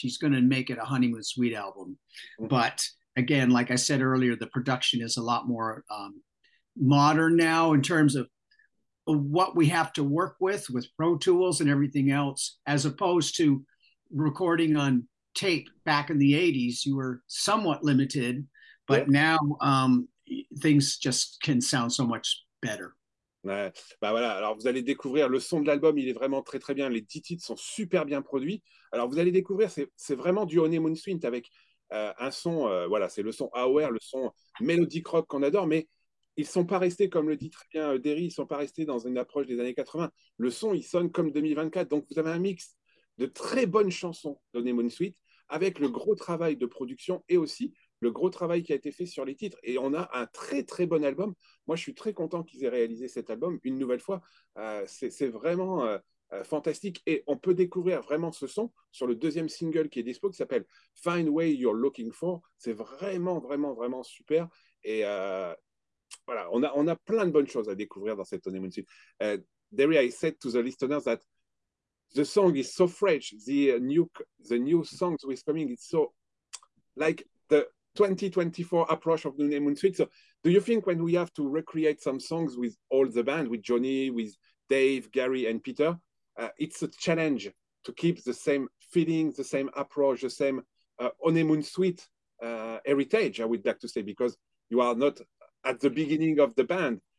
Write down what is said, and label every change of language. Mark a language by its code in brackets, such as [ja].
[en] He's going to make it a Honeymoon Suite album. Mm-hmm. But again, like I said earlier, the production is a lot more modern now in terms of what we have to work with Pro Tools and everything else, as opposed to recording on tape back in the 80s. You were somewhat limited. But now things just can sound so much better. [fr] Ouais, bah voilà. Alors vous allez découvrir le son de l'album, il est vraiment très très bien. Les 10 titres sont super bien produits. Alors vous allez découvrir, c'est vraiment du Honeymoon Suite avec un son, voilà, c'est le son AOR, le son mélodic rock qu'on adore. Mais ils sont pas restés, comme le dit très bien Derry, ils sont pas restés dans une approche des années 80. Le son, il sonne comme 2024. Donc vous avez un mix de très bonnes chansons d'Honeymoon Suite avec le gros travail de production et aussi le gros travail qui a été fait sur les titres. Et on a un très, très bon album. Moi, je suis très content qu'ils aient réalisé cet album une nouvelle fois. C'est vraiment fantastique. Et on peut découvrir vraiment ce son sur le deuxième single qui est dispo, qui s'appelle « Find Way You're Looking For ». C'est vraiment, vraiment, vraiment super. Et voilà, on a plein de bonnes choses à découvrir dans cette Honeymoon Suite. [en] Derry, I said to the listeners that the song is so fresh. The new songs is coming. It's so, like, the 2024 approach of the Honeymoon Suite. So do you think when we have to recreate some songs with all the band, with Johnny, with Dave, Gary and Peter, it's a challenge to keep the same feeling, the same approach, the same Honeymoon Suite heritage, I would like to say, because you are not at the beginning of the band.